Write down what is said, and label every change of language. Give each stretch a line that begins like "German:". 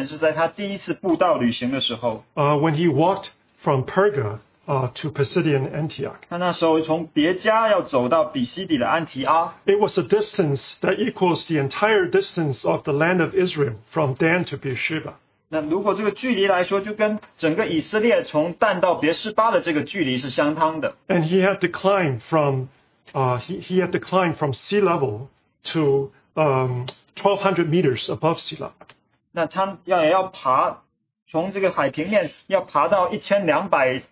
Chinese: 那特别我要提到保罗碰到的一个危险是在他第一次布道旅行的时候。
English: When he walked from Perga to Pisidian Antioch.
Chinese: 那时候从别家要走到比西底的安提阿。
English: It was a distance that equals the entire distance of the land of Israel from Dan to Beersheba.
Chinese: 那如果这个距离来说，就跟整个以色列从但到别示巴的这个距离是相当的。
English: And he had to climb from, sea level to 1,200 meters above sea level.
Chinese: 那他要爬从这个海平面要爬到1,200